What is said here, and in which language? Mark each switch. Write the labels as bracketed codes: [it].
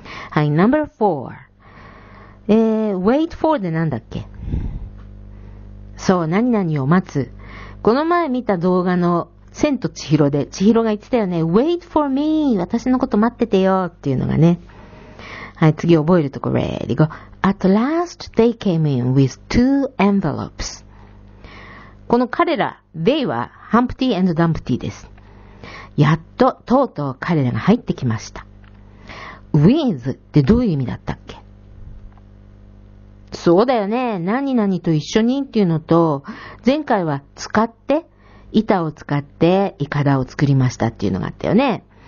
[ja] はい、 number 4、wait for でなんだっけ。そう、何々を待つ。この前見た動画の千と千尋で千尋が言ってたよね、 [en] wait for me、 [ja] 私のこと待っててよっていうのがね。はい、次覚えるとこ、ready go。 [en] At last they came in with two envelopes。 [ja] この彼ら、 they は Humpty and Dumpty です。やっと、とうとう彼らが入ってきました。with ってどういう意味だったっけ。そうだよね、何々と一緒にっていうのと、前回は使って、板を使ってイカダを作りましたっていうのがあったよね。